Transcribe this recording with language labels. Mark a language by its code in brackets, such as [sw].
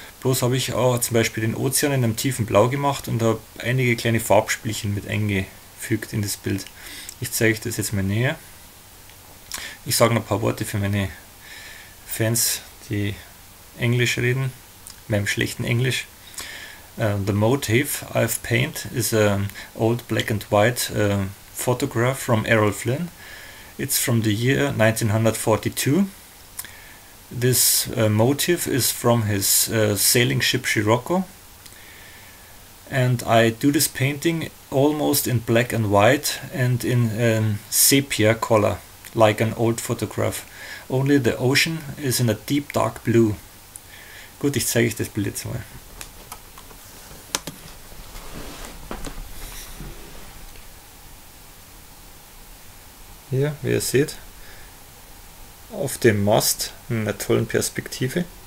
[de] Bloß habe ich auch zum Beispiel den Ozean in einem tiefen Blau gemacht und habe einige kleine Farbspielchen mit eingefügt in das Bild. Ich zeige euch das jetzt mal näher. Ich sage noch ein paar Worte für meine Fans, die Englisch reden, meinem schlechten Englisch. [en] The motif I've painted is an old black and white photograph from Errol Flynn. It's from the year 1942. This motif is from his sailing ship Scirocco. And I do this painting almost in black and white and in sepia color, like an old photograph. Only the ocean is in a deep dark blue. [de] Gut, ich zeige euch das Bild jetzt mal. Hier, wie ihr seht, auf dem Mast in einer tollen Perspektive.